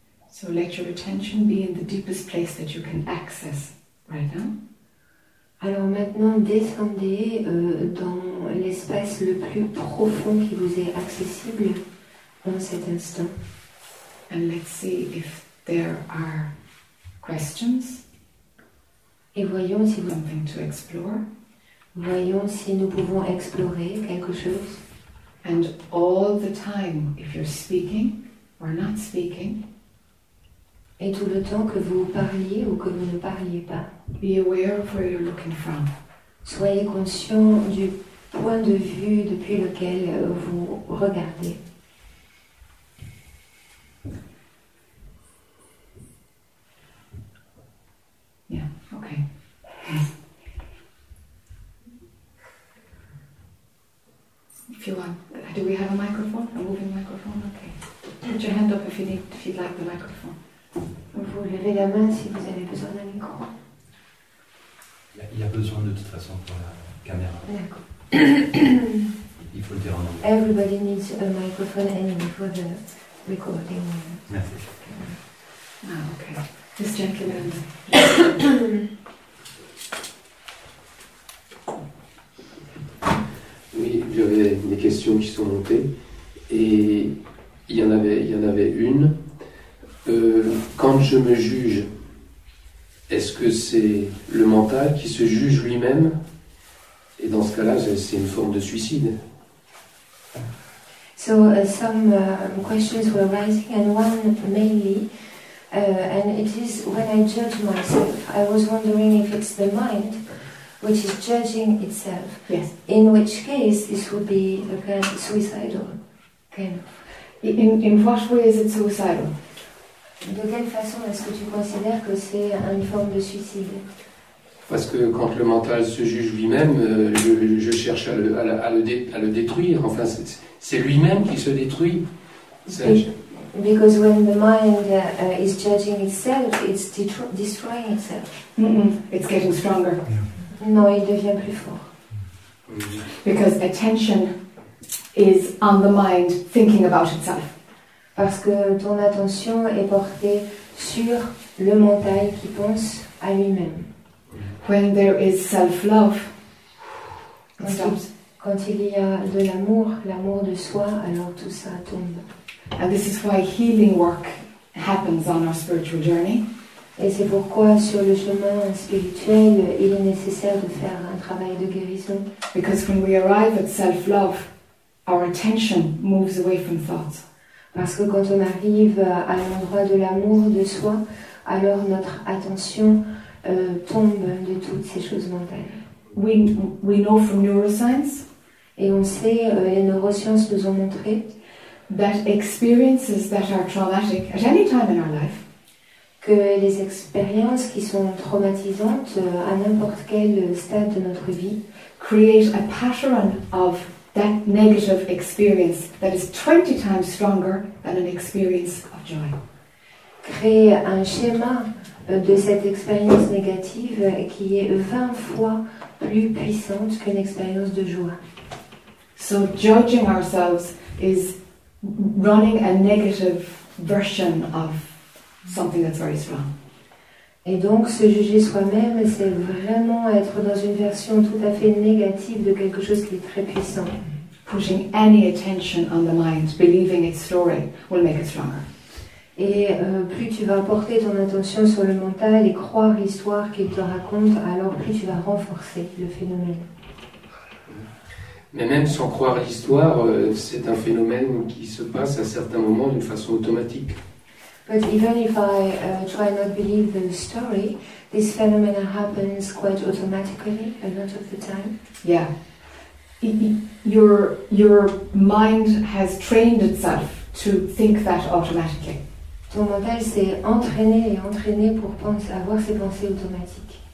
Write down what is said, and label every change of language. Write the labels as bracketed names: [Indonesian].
[English] So let your attention be in the deepest place that you can access right now. [French] Alors maintenant, descendez dans l'espace le plus profond qui vous est accessible en cet instant. [English] And let's see if there are questions. [French] Et voyons si [English] something to explore. [French] Voyons si nous pouvons explorer quelque chose. [English] And all the time, if you're speaking or not speaking, [French] et tout le temps que vous parliez ou que vous ne parliez pas, [English] be aware of where you're looking from. [French] Soyez conscient du point de vue depuis lequel vous regardez. [English] Yeah, okay. If you want, do we have a microphone? A moving microphone? Okay. Put your hand up if you'd like the microphone. [French] Vous levez la main si vous avez besoin d'un micro. Il y a besoin de toute façon pour la caméra. D'accord. Il faut le dire en anglais. [English] Everybody needs a microphone anyway for the recording. [French] Merci. [English] Ah, okay. This gentleman. [French] Oui, j'avais des questions qui sont montées et il y en avait une. Quand je me juge, est-ce que c'est le mental qui se juge lui-même? Et dans ce cas-là, c'est une forme de suicide. [English] So some questions were rising, and one mainly, and it is when I judge myself. I was wondering if it's the mind which is judging itself. Yes. In which case, this would be a kind of suicidal kind of. In what way is it suicidal? [French] De quelle façon est-ce que tu considères que c'est une forme de suicide? Parce que quand le mental se juge lui-même, je cherche à le détruire. Enfin, c'est lui-même qui se détruit. [English] Because when the mind is judging itself, it's destroying itself. Mm-hmm. It's getting stronger. [French] Yeah. Non, il devient plus fort. Mm-hmm. [English] Because attention is on the mind thinking about itself. [French] Parce que ton attention est portée sur le mental qui pense à lui-même. [English] When there is self-love, it stops. [French] Quand il y a de l'amour, l'amour de soi, alors tout ça tombe. [English] And this is why healing work happens on our spiritual journey. [French] Et c'est pourquoi sur le chemin spirituel, il est nécessaire de faire un travail de guérison. [English] Because when we arrive at self-love, our attention moves away from thoughts. [French] Parce que quand on arrive à l'endroit de l'amour de soi, alors notre attention tombe de toutes ces choses mentales. [English] We know from neuroscience, [French] et on sait, les neurosciences nous ont montré, [English] that experiences that are traumatic at any time in our life, [French] que les expériences qui sont traumatisantes à n'importe quel stade de notre vie, [English] create a pattern of that negative experience that is 20 times stronger than an experience of joy. [French] Créer un schéma de cette expérience négative qui est 20 fois plus puissante qu'une expérience de joie. [English] So judging ourselves is running a negative version of something that's very strong. [French] Et donc, se juger soi-même, c'est vraiment être dans une version tout à fait négative de quelque chose qui est très puissant. [English] Putting any attention on the mind, believing its story, will make it stronger. [French] Et plus tu vas porter ton attention sur le mental et croire l'histoire qu'il te raconte, alors plus tu vas renforcer le phénomène. Mais même sans croire l'histoire, c'est un phénomène qui se passe à certains moments d'une façon automatique. [English] But even if I try not believe the story, this phenomenon happens quite automatically a lot of the time. Yeah. Your mind has trained itself to think that automatically. [French] Ton mental s'est entraîné et entraîné pour avoir ces pensées automatiques.